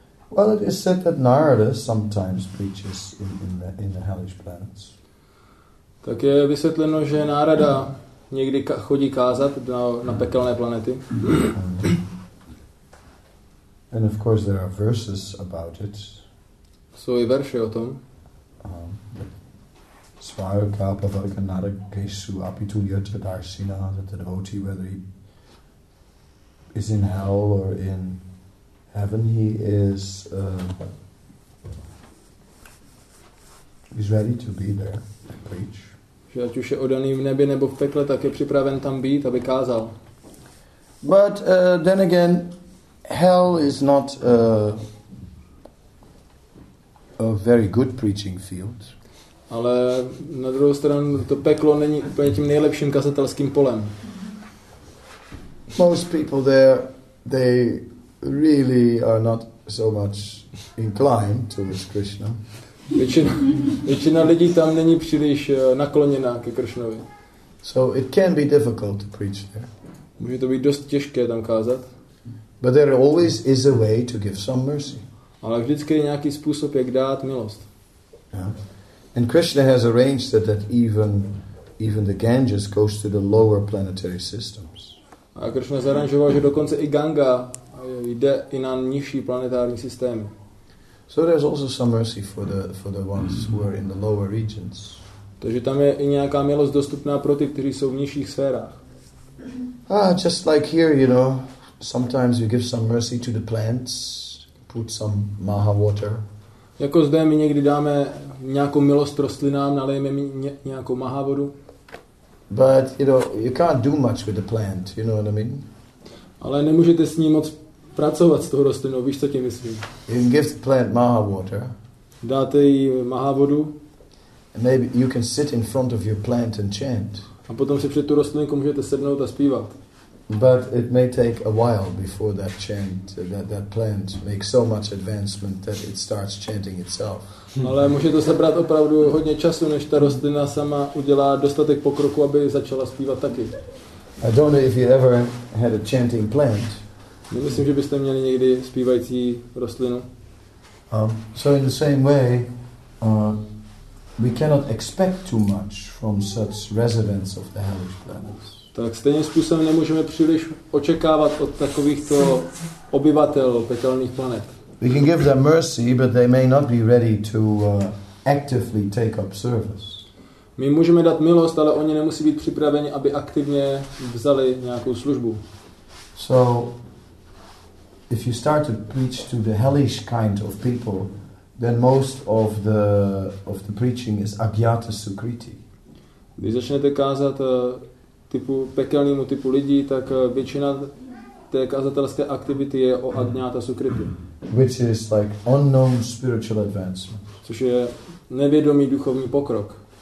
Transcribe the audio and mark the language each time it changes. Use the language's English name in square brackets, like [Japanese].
[English] Well, it is said that Narada sometimes preaches in the hellish planets. [Czech] Tak je vysvětleno, že Narada někdy chodí kázat na pekelné planety. [English] And of course there are verses about it. [Czech] Jsou i verše o tom. [Sanskrit] Svayakapa vaganada kesu apituliyata darsina, [English] that the devotee, whether he is in hell or in heaven, he is he's ready to be there and preach. [Czech] Že ať už je odaný v nebi nebo v pekle, tak je připraven tam být, aby kázal. [English] But then again, hell is not a very good preaching field. [Czech] Ale na druhou stranu to peklo není úplně tím nejlepším kazatelským polem. [English] Most people there, they really are not so much inclined towards Krishna. [Czech] Většina lidí tam není příliš nakloněná ke Krishnovi. [English] So it can be difficult to preach there. [Czech] Může to být dost těžké tam kázat. [English] But there always is a way to give some mercy. Ale vždycky je nějaký způsob, jak dát milost. Yeah. And Krishna has arranged that even the Ganges goes to the lower planetary systems. [Czech] A Krishna zaranžoval, že dokonce i Ganga jde i na nižší planetární systém. [English] So there's also some mercy for the ones who are in the lower regions. [Czech] Takže tam je i nějaká milost dostupná pro ty, kteří jsou v nižších sférách. [English] Ah, just like here, you know, sometimes you give some mercy to the plants, put some maha water. [Czech] Jako zde my někdy dáme nějakou milost rostlinám, nalejeme nějakou maha vodu. [English] But you know, you can't do much with the plant, you know what I mean? [Czech] Ale nemůžete s ním moc pracovat s tou rostlinou, víš, co tím myslím. [English] You can give the plant maha water. [Czech] Dáte jí maha vodu. [English] And maybe you can sit in front of your plant and chant. [Czech] A potom si před tu rostlinkou můžete sednout a zpívat. [English] But it may take a while before that chant, that plant makes so much advancement that it starts chanting itself. [Czech] Ale může to zabrat opravdu hodně času, než ta rostlina sama udělá dostatek pokroku, aby začala zpívat taky. [English] I don't know if you ever had a chanting plant. [Czech] Myslím, že byste měli někdy zpívající rostlinu. [English] So in the same way, we cannot expect too much from such residents of the hellish planets. [Czech] Tak stejným způsobem nemůžeme příliš očekávat od takovýchto obyvatel pekelných planet. [English] We can give them mercy, but they may not be ready to actively take up service. [Czech] My můžeme dát milost, ale oni nemusí být připraveni, aby aktivně vzali nějakou službu. [English] So if you start to preach to the hellish kind of people, then most of the preaching is agyata sukriti. [Czech] Když začnete kázat typu, pekelnému typu lidí, tak většina té kazatelské aktivity je o Adnyata Sukriti. [English] Which is like unknown spiritual advancement. [Czech] Což je nevědomý duchovní pokrok.